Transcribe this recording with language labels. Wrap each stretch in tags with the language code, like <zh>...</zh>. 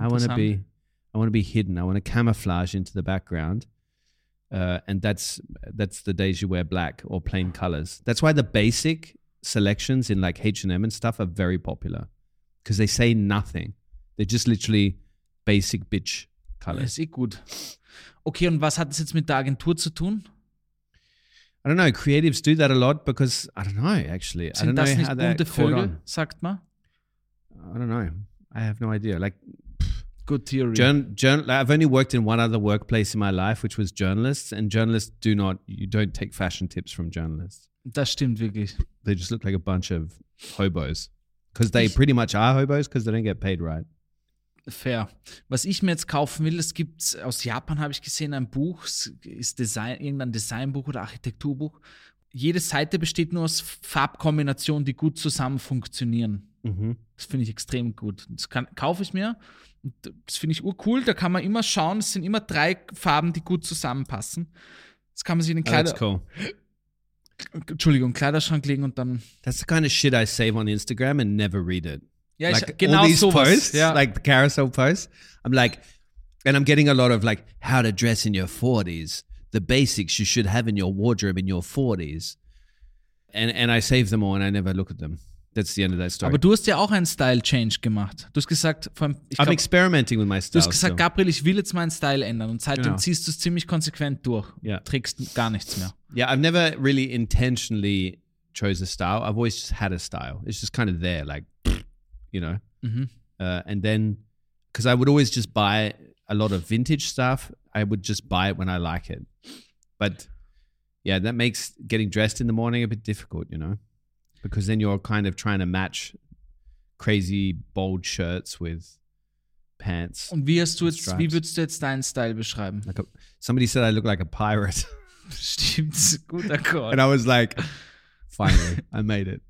<de>interessant.</de> <en>I want to be hidden. I want to camouflage into the background. And that's the days you wear black or plain colors. That's why the basic selections in like H&M and stuff are very popular because they say nothing. They just literally... Basic Bitch Color.</en> <de>Ist eh gut. Okay, und was hat das jetzt mit der Agentur zu tun?</de> <en>I don't know. Creatives do that a lot because, I don't know, actually.</en> <de>Sind</de> <en>I don't</en> <de>das</de> <en>know</en> <de>nicht</de> <en>how</en> <de>bunte Vögel, sagt man?</de> <en>I don't know. I have no idea. Like, good theory. I've only worked in one other workplace in my life, which was journalists. And journalists do not, you don't take fashion tips from journalists.</en> <de>Das stimmt wirklich.</de> <en>They just look like a bunch of hobos. Because they pretty much are hobos because they don't get paid right. Fair.</en> <de>Was ich mir jetzt kaufen will, es gibt aus Japan, habe ich gesehen, ein Buch, es ist Design, irgendein Designbuch oder Architekturbuch. Jede Seite besteht nur aus Farbkombinationen, die gut zusammen funktionieren. Mhm. Das finde ich extrem gut. Das kaufe ich mir. Und das finde ich urcool. Da kann man immer schauen, es sind immer drei Farben, die gut zusammenpassen. Das kann man sich in den Kleiderschrank legen und dann...</de> <en>That's the kind of shit I save on Instagram and never read it.</en> <de>Ja,</de> <en>like</en> <de>genau</de> <en>all these</en> <de>sowas.</de> <en>Posts, yeah. Like the carousel posts, I'm like, and I'm getting a lot of like, how to dress in your 40s, the basics you should have in your wardrobe in your 40s. And I save them all and I never look at them. That's the end of that story.</en> <de>Aber du hast ja auch einen Style Change gemacht. Du hast gesagt,</de> <en>I'm experimenting with my style.</en> <de>Du hast gesagt,</de> <en>so.</en> <de>Gabriel, ich will jetzt meinen Style ändern. Und seitdem genau. Ziehst du es ziemlich konsequent durch.</de> <en>Yeah.</en> <de>Trägst gar nichts mehr.</de> <en>Yeah, I've never really intentionally chose a style. I've always just had a style. It's just kind of there, like, you know, and then because I would always just buy a lot of vintage stuff. I would just buy it when I like it. But yeah, that makes getting dressed in the morning a bit difficult, you know. because then you're kind of trying to match crazy bold shirts with pants.</en> <de>Und wie hast du jetzt, wie würdest du jetzt deinen Style beschreiben?</de> <en>Like a, somebody said I look like a pirate.</en> <de>Stimmt, guter Call.</de> <en>And I was like, finally, I made it.</en>